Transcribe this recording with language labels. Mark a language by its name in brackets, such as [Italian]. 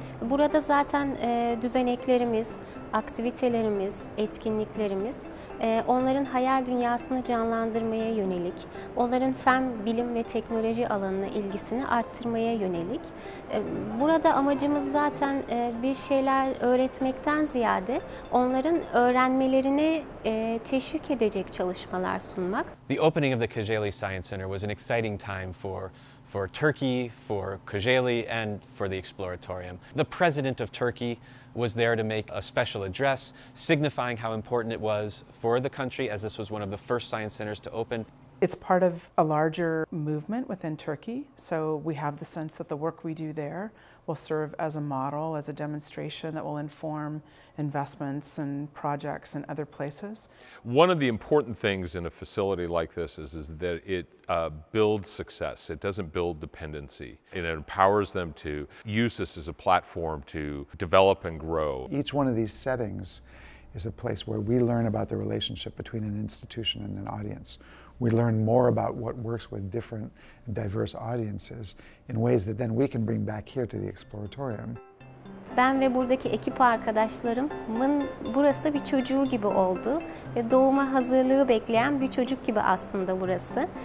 [Turkish] Burada zaten düzeneklerimiz, aktivitelerimiz, etkinliklerimiz onların hayal dünyasını canlandırmaya yönelik, onların fen, bilim ve teknoloji alanına ilgisini arttırmaya yönelik. Burada amacımız zaten bir şeyler öğretmekten ziyade onların öğrenmelerini teşvik edecek çalışmalar sunmak. [English] The opening of the Kocaeli Science Center was an exciting time for Turkey, for Kocaeli, and for the Exploratorium. The president of Turkey was there to make a special address, signifying how important it was for the country, as this was one of the first science centers to open. It's part of a larger movement within Turkey, so we have the sense that the work we do there will serve as a model, as a demonstration that will inform investments and projects in other places. One of the important things in a facility like this is that it builds success. It doesn't build dependency. And it empowers them to use this as a platform to develop and grow. Each one of these settings is a place where we learn about the relationship between an institution and an audience. We learn more about what works with different and diverse audiences in ways that then we can bring back here to the Exploratorium. [Turkish] Ben ve buradaki ekip arkadaşlarımın burası bir çocuğu gibi oldu. Ve doğuma hazırlığı bekleyen bir çocuk gibi aslında burası.